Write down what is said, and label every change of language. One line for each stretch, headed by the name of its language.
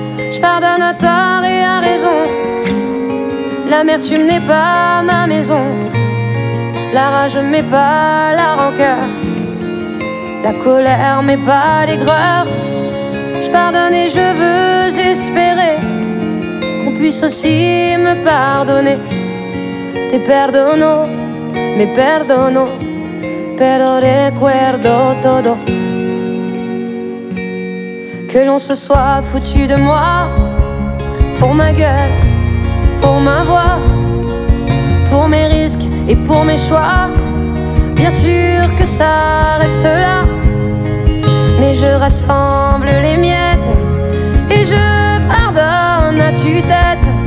French: Je pardonne à tort et à raison. L'amertume n'est pas ma maison. La rage mais pas la rancœur. La colère mais pas l'aigreur. Je pardonne et je veux espérer qu'on puisse aussi me pardonner.
Spanish: Te perdono, me perdono, pero recuerdo todo.
French: Que l'on se soit foutu de moi. Pour ma gueule, pour ma voix. Pour mes risques et pour mes choix. Bien sûr que ça reste là. Mais je rassemble les miettes. Et je pardonne à tue-tête.